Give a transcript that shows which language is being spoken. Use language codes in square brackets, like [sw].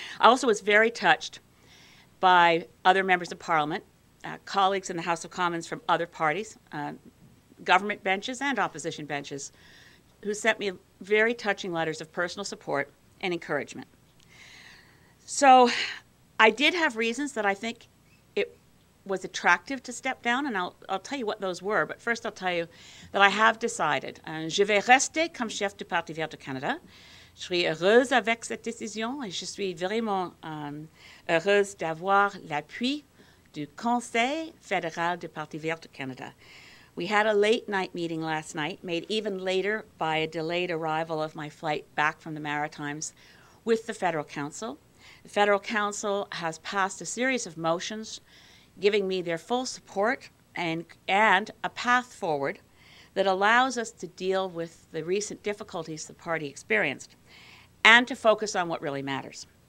[en] I also was very touched by other members of Parliament, colleagues in the House of Commons from other parties, government benches and opposition benches, who sent me very touching letters of personal support and encouragement. So I did have reasons that I think it was attractive to step down, and I'll tell you what those were, but first I'll tell you that I have decided. [fr] Je vais rester comme chef du Parti Vert du Canada. Je suis heureuse avec cette décision, et je suis vraiment heureuse d'avoir l'appui du Conseil fédéral du Parti Vert du Canada. [en] We had a late night meeting last night, made even later by a delayed arrival of my flight back from the Maritimes with the Federal Council. The Federal Council has passed a series of motions giving me their full support and a path forward that allows us to deal with the recent difficulties the party experienced and to focus on what really matters.